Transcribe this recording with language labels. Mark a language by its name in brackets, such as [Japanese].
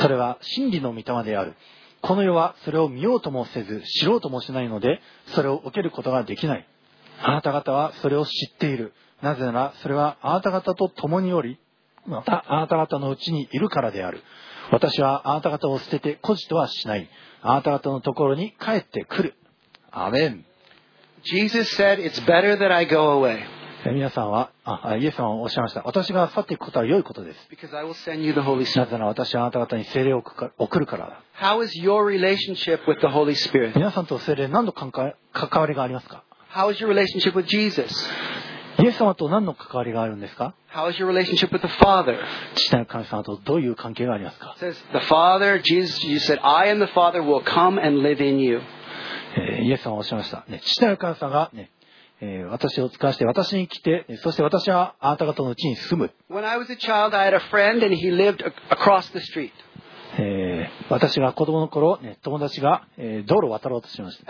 [Japanese] それは真理の御霊である。この世はそれを見ようともせず知ろうともしないのでそれを受けることができない。あなた方はそれを知っている。なぜならそれはあなた方と共におりまたあなた方のうちにいるからである。私はあなた方を捨てて孤児とはしない。あなた方のところに帰ってくる。アメン。 [English] Jesus said, It's better that I go away. [Japanese] 皆さんはイエス様はおっしゃいました。私が去っていくことは良いことです。 [English] Because I will send you the Holy Spirit. [Japanese] なぜなら私はあなた方に聖霊を送るからだ。 [English] How is your relationship with the Holy Spirit? [Japanese] 皆さんと聖霊何の関わりがありますか。 [English] How is your relationship with Jesus? [Japanese] イエス様と何の関わりがあるんですか。 [English] How is your relationship with the Father? [Japanese] 父なる神様とどういう関係がありますか。 [English] Says the Father, Jesus, you said, I and the Father will come and live in you. [Japanese] イエス様はおっしゃいました。ね、父なる神様が、ね、私を使わせて私に来て、そして私はあなた方のうちに住む。 [English] When I was a child, I had a friend and he lived across the street. [Japanese] 私が子供の頃、ね、友達が、道路を渡ろうとしました。